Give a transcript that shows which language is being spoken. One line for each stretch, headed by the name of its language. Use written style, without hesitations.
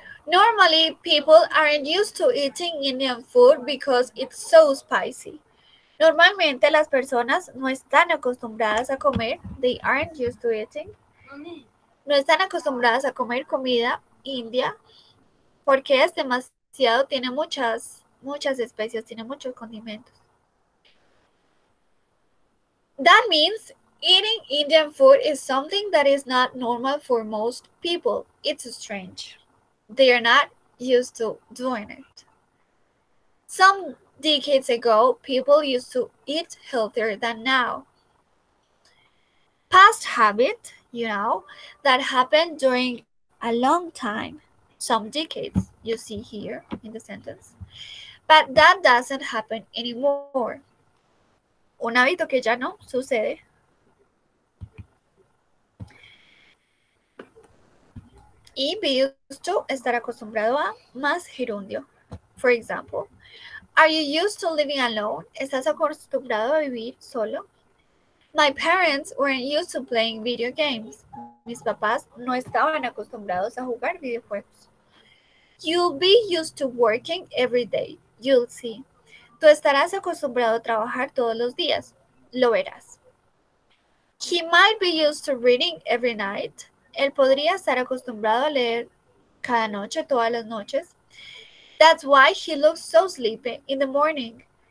English: Normally, people aren't used to eating Indian food because it's so spicy.
Spanish: Normalmente, las personas no están acostumbradas a comer.
English: They aren't used to eating.
Spanish: No están acostumbradas a comer comida india porque es demasiado, tiene muchas, muchas especias, tiene muchos condimentos.
English: That means eating Indian food is something that is not normal for most people. It's strange. They are not used to doing it. Some decades ago, people used to eat healthier than now. Past habit, you know, that happened during a long time, some decades, you see here in the sentence. But that doesn't happen anymore.
Spanish: Un hábito que ya no sucede. Y be used to, estar acostumbrado a, más gerundio.
English: For example, are you used to living alone?
Spanish: ¿Estás acostumbrado a vivir solo?
English: My parents weren't used to playing video games.
Spanish: Mis papás no estaban acostumbrados a jugar videojuegos.
English: You'll be used to working every day. You'll see.
Spanish: Tú estarás acostumbrado a trabajar todos los días. Lo verás.
English: He might be used to reading every night.
Spanish: Él podría estar acostumbrado a leer cada noche, todas las noches.
English: That's why he looks so sleepy in the morning.